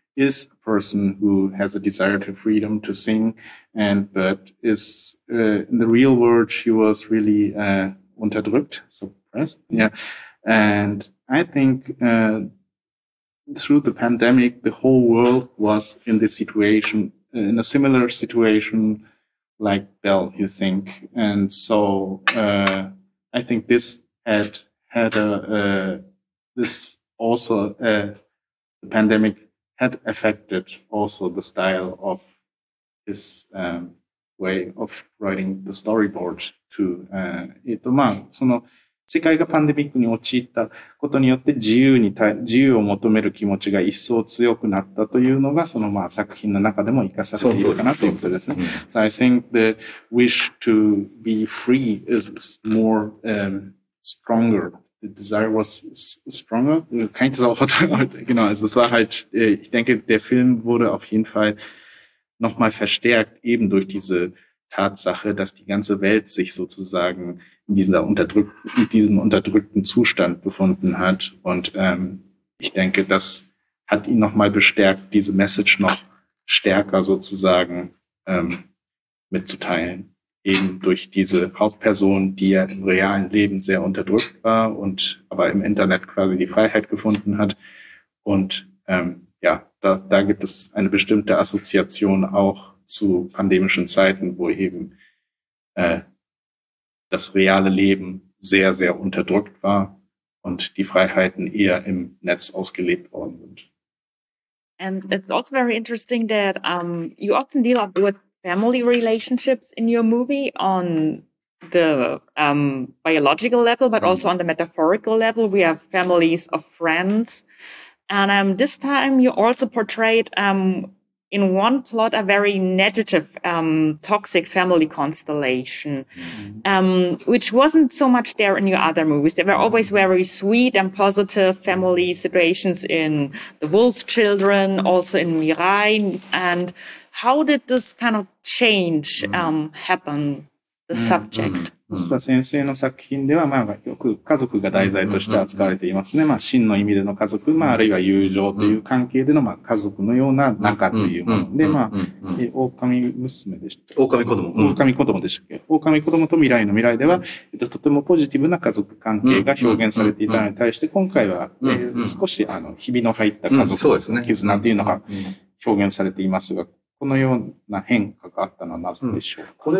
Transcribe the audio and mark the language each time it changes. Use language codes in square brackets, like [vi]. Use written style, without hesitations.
[en] is a person who has a desire to freedom to sing, and but is in the real world she was really unterdrückt, suppressed. Yeah, and I think through the pandemic, the whole world was in this situation, in a similar situation like Bell, you think. And so I think this had a this also the pandemic had affected also the style of his way of writing the storyboard to [ja] その世界がパンデミックに陥ったことによって自由を求める気持ちが一層強くなったというのがそのまあ作品の中でも活かされているかなということですね。 [en] So I think the wish to be free is more stronger. The desire was stronger. [de] Kann ich das auch verteidigen? Genau, also es war halt, ich denke, der Film wurde auf jeden Fall nochmal verstärkt, eben durch diese Tatsache, dass die ganze Welt sich sozusagen in diesem unterdrückten Zustand befunden hat. Und ich denke, das hat ihn nochmal bestärkt, diese Message noch stärker sozusagen mitzuteilen. Eben durch diese Hauptperson, die ja im realen Leben sehr unterdrückt war und aber im Internet quasi die Freiheit gefunden hat. Und ja, da gibt es eine bestimmte Assoziation auch zu pandemischen Zeiten, wo eben das reale Leben sehr, sehr unterdrückt war und die Freiheiten eher im Netz ausgelebt worden sind. [en] And it's also very interesting that you often deal up with family relationships in your movie on the biological level, but also on the metaphorical level. We have families of friends. And this time you also portrayed in one plot a very negative toxic family constellation, which wasn't so much there in your other movies. There were always very sweet and positive family situations in The Wolf Children, also in Mirai. And how did this kind of change happen, the subject? [ja] うん、先生の作品では、まあ、よく家族が題材として扱われていますね。まあ、真の意味での家族、まあ、あるいは友情という関係での、まあ、家族のような仲というもので、まあ、狼娘でした。狼子供と未来の未来では、とてもポジティブな家族関係が表現されていたのに対して、今回は、少し、ひびの入った家族の絆というのが表現されていますが、このような変化があったのはなぜでしょうか、う